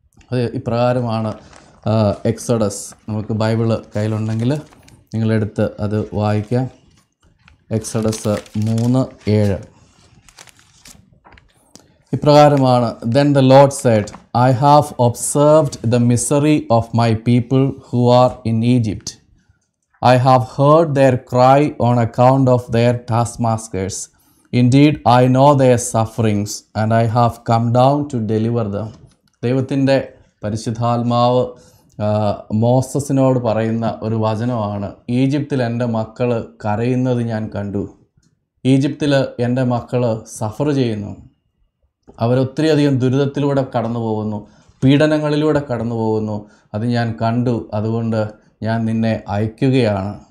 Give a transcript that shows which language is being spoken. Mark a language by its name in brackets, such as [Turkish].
[Malayalam] അത് ഇപ്രകാരമാണ്. എക്സോഡസ് നമുക്ക് ബൈബിള് കയ്യിലുണ്ടെങ്കിൽ നിങ്ങളെടുത്ത് അത് വായിക്കാം. എക്സോഡസ് 3:7 ഇപ്രകാരമാണ്. [English] Then the Lord said, I have observed the misery of my people who are in Egypt. I have heard their cry on account of their taskmasters. Indeed, I know their sufferings and I have come down to deliver them. [Malayalam] ദൈവത്തിൻ്റെ പരിശുദ്ധാത്മാവ് മോസസിനോട് പറയുന്ന ഒരു വചനമാണ്, ഈജിപ്തിൽ എൻ്റെ മക്കൾ കരയുന്നത് ഞാൻ കണ്ടു, ഈജിപ്തിൽ എൻ്റെ മക്കൾ സഫർ ചെയ്യുന്നു, അവരൊത്തിരിയധികം ദുരിതത്തിലൂടെ കടന്നു പോകുന്നു, പീഡനങ്ങളിലൂടെ കടന്നു പോകുന്നു, അത് ഞാൻ കണ്ടു, അതുകൊണ്ട് ഞാൻ നിന്നെ അയക്കുകയാണ്.